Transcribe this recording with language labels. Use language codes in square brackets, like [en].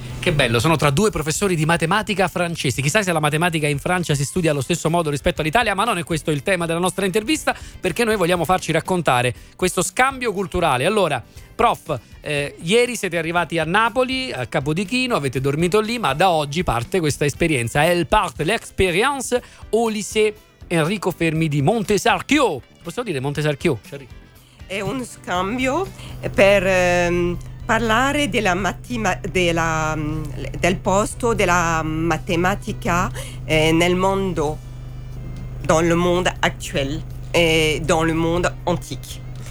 [it] Che bello, sono tra due professori di matematica francesi. Chissà se la matematica in Francia si studia allo stesso modo rispetto all'Italia, ma non è questo il tema della nostra intervista, perché noi vogliamo farci raccontare questo scambio culturale. Allora, prof, ieri siete arrivati a Napoli, a Capodichino, avete dormito lì, ma da oggi parte questa esperienza. [fr] Elle parte l'expérience au lycée Enrico Fermi di Montesarchio. [it] Posso dire Montesarchio? È un scambio per parlare della del posto della matematica nel mondo, [fr] dans le monde actuel [it] e [fr] dans le monde antique.